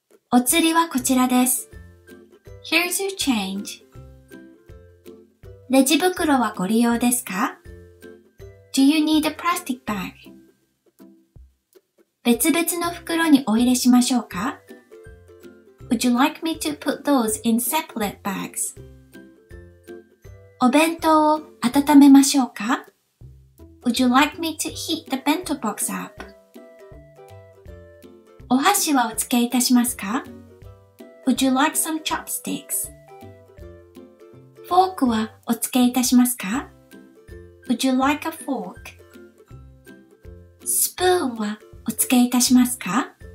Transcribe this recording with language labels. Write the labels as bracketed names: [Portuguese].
[Japanese] お釣りはこちらです。 [English] Here's your change. [Japanese] レジ袋はご利用ですか？ [English] Do you need a plastic bag? [Japanese] 別々の袋にお入れしましょうか？ [English] Would you like me to put those in separate bags? [Japanese] お弁当を温めましょうか？ [English] Would you like me to heat the bento box up? [Japanese] お箸はお付けいたしますか？ [English] Would you like some chopsticks? [Japanese] フォークはお付けいたしますか？ [English] Would you like a fork? [Japanese] スプーンはお付けいたしますか？